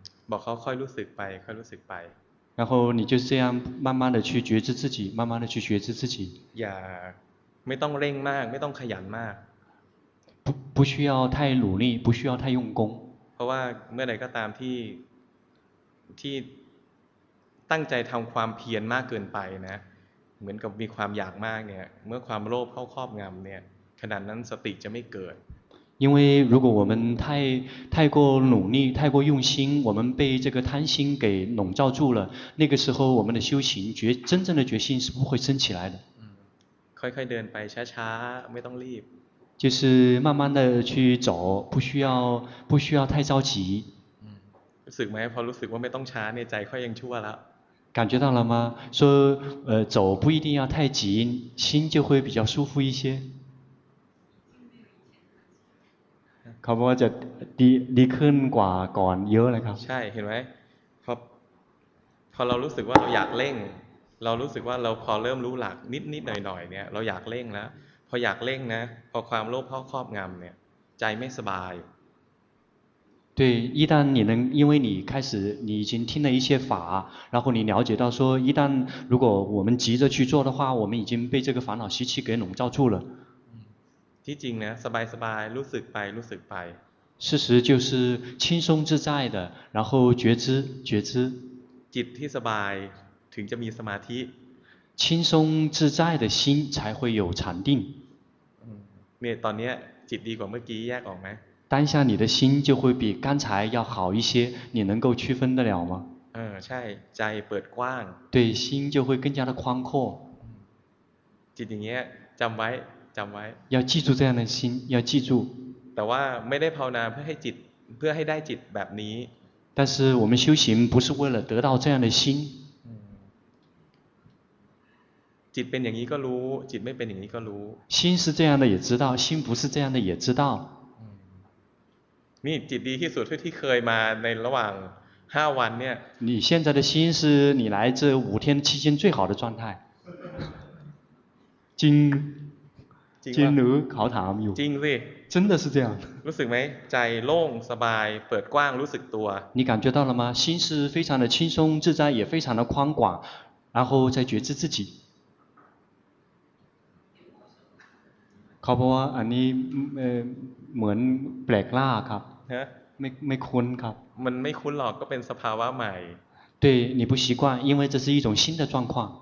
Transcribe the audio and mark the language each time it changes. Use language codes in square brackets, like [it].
[th] บอกเขาค่อยรู้สึกไปค่อยรู้สึกไป [zh] 然后你就这样慢慢的去觉知自己慢慢的去觉知自己 [th] อย่าไม่ต้องเร่งมากไม่ต้องขยันมาก [zh] 不需要太努力不需要太用功 [th] เพราะว่าเมื่อไหร่ก็ตามที่ตั้งใจทำความเพียรมากเกินไปนะเหมือนกับมีความอยากมากเนี่ยเมื่อความโลภเข้าครอบงำเนี่ยขนาดนั้นสติจะไม่เกิด [zh] 因为如果我们太过努力太过用心我们被这个贪心给笼罩住了那个时候我们的修行真正的决心是不会升起来的 [th] ค่อยๆเดินไปช้าๆไม่ต้องรีบ [zh] 就是慢慢的去走不需要太着急 [th] รู้สึกไหมพอรู้สึกว่าไม่ต้องช้าเนี่ยใจค่อยยังชั่วแล้ว [zh] 感觉到了吗说走不一定要太急心就会比较舒服一些 [th] เขาบอกว่าจะดีขึ้นกว่าก่อนเยอะเลยครับ ใช่เห็นไหมพอเรารู้สึกว่าเราอยากเร่งเรารู้สึกว่าเราพอเริ่มรู้หลักนิดนิดหน่อยหน่อยเนี่ยเราอยากเร่งแล้วพออยากเร่งนะพอความโลภเข้าครอบงำเนี่ยใจไม่สบาย [zh] 对一旦你能因为你开始你已经听了一些法然后你了解到说一旦如果我们急着去做的话我们已经被这个烦恼习气给笼罩住了 [th] ที่จริงนะสบายสบายรู้สึกไปรู้สึกไป [zh] 事实就是轻松自在的然后觉知 [th] จิตที่สบายถึงจะมีสมาธิ [zh] 轻松自在的心才会有禅定 [th] เนี่ยตอนนี้จิตดีกว่าเมื่อกี้แยกออกไหม [zh] 当下你的心就会比刚才要好一些你能够区分得了吗 [th] ใช่ใจเปิดกว้าง [zh] 对心就会更加的宽阔 [th] จิตอย่างเงี้ยจำไว้ [zh] 要记住这样的心要记住 [th] แต่ว่าไม่ได้ภาวนาเพื่อให้ได้จิตแบบนี้ [zh] 但是我们修行不是为了得到这样的心 [th] จิตเป็นอย่างนี้ก็รู้จิตไม่เป็นอย่างนี้ก็รู้ [zh] 心是这样的也知道心不是这样的也知道 [th] 你จิตดีที่สุดที่เคยมาในระหว่าง5วันเนี่ย [zh] 你现在的心是你来这五天期间最好的状态 [th] จริงจริงหรือเขาถามอยู่ จริงสิ [zh] 真的是这样 [th] รู้สึกไหมใจโล่งสบายเปิดกว้างรู้สึกตัว [zh] 你感觉到了吗心是非常的轻松自在也非常的宽广然后再觉知自己 [th] เขาบอกว่าอันนี้เหมือนแปลกล่าครับ ฮะ ไม่คุ้นครับ มันไม่คุ้นหรอกก็เป็นสภาวะใหม่ [zh] 对你不习惯因为这是一种新的状况